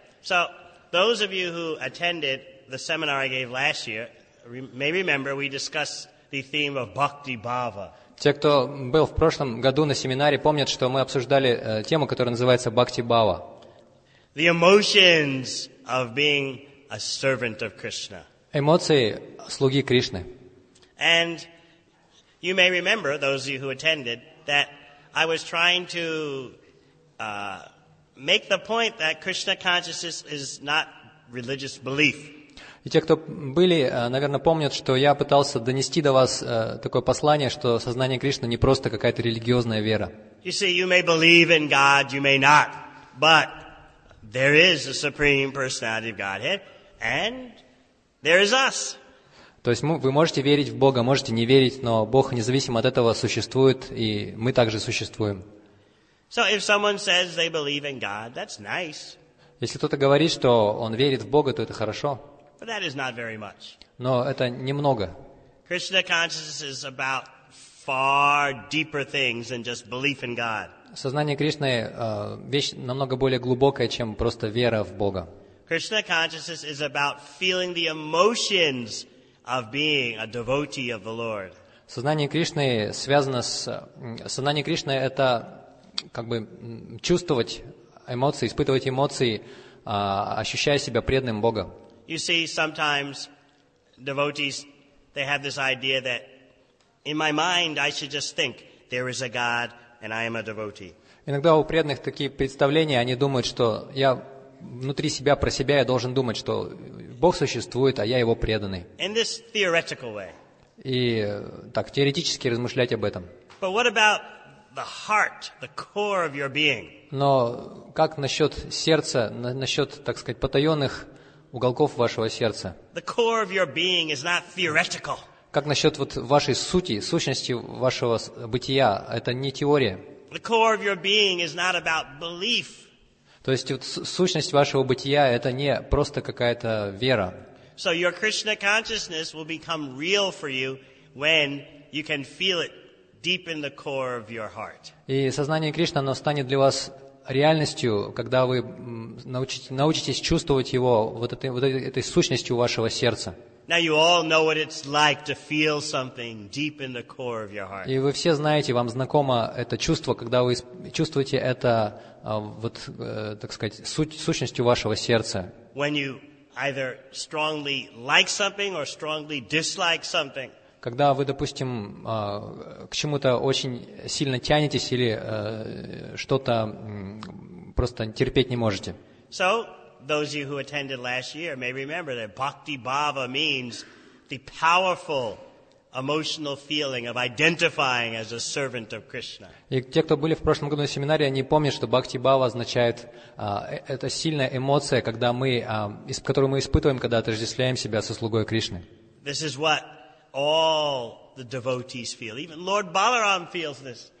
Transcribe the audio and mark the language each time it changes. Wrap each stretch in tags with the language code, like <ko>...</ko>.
<en>So, those of you who attended the seminar I gave last year may remember we discussed the theme of Bhakti Bhava.</en> <ru>Те, кто был в прошлом году на семинаре, помнят, что мы обсуждали тему, которая называется Бхакти Бхава.</ru> <en>The emotions of being a servant of Krishna.</en> <ru>Эмоции слуги Кришны.</ru> <en>And you may remember, those of you who attended, that I was trying to make the point that Krishna consciousness is not religious belief.</en> <ru>И те, кто были, наверное, помнят, что я пытался донести до вас такое послание, что сознание Кришны не просто какая-то религиозная вера.</ru> <en>You see, you may believe in God, you may not, but there is a supreme personality of Godhead, and there is us.</en> <ru>То есть вы можете верить в Бога, можете не верить, но Бог независимо от этого существует, и мы также существуем.</ru> <en>So if someone says they believe in God, that's nice.</en> <ru>Если кто-то говорит, что он верит в Бога, то это хорошо.</ru> <en>But that is not very much.</en> <ru>Но это немного.</ru> <en>Krishna consciousness is about far deeper things than just belief in God.</en> <ru>Сознание Кришны вещь намного более глубокая, чем просто вера в Бога.</ru> <en>Krishna consciousness is about feeling the emotions of being a devotee of the Lord.</en> <ru>Сознание Кришны связано с сознание Кришны это как бы чувствовать эмоции, испытывать эмоции, ощущая себя преданным Бога.</ru> <en>You see, sometimes devotees, they have this idea that in my mind I should just think there is a God and I am a devotee.</en> <ru>Иногда у преданных такие представления, они думают, что я внутри себя, про себя я должен думать, что Бог существует, а я его преданный.</ru> <en>In this theoretical way.</en> <ru>И так, теоретически размышлять об этом.</ru> <en>But what about the heart, the core of your being.</en> <ru>Но как насчет сердца, насчет, так сказать, потаенных уголков вашего сердца?</ru> <en>The core of your being is not theoretical.</en> <ru>Как насчет вот вашей сути, сущности вашего бытия? Это не теория.</ru> <en>The core of your being is not about belief.</en> <ru>То есть вот, сущность вашего бытия это не просто какая-то вера.</ru> <en>So your Krishna consciousness will become real for you when you can feel it deep in the core of your heart.</en> <ru>И сознание Кришны, оно станет для вас реальностью, когда вы научитесь чувствовать его, вот этой сущностью вашего сердца.</ru> <en>Now you all know what it's like to feel something deep in the core of your heart.</en> <ru>И вы все знаете, вам знакомо это чувство, когда вы чувствуете это вот так сказать сущностью вашего сердца.</ru> <en>When you either strongly like something or strongly dislike something.</en> <ru>Когда вы, допустим, к чему-то очень сильно тянетесь или что-то просто терпеть не можете.</ru> <en>So, those of you who attended last year may remember that bhakti bhava means the powerful emotional feeling of identifying as a servant of Krishna.</en> <ru>И те, кто были в прошлом году на семинаре, они помнят, что бхакти бхава означает это сильная эмоция, когда мы которую мы испытываем, когда отождествляем себя со слугой Кришны.</ru> <en>This is what all the devotees feel. Even Lord Balaram feels this.</en>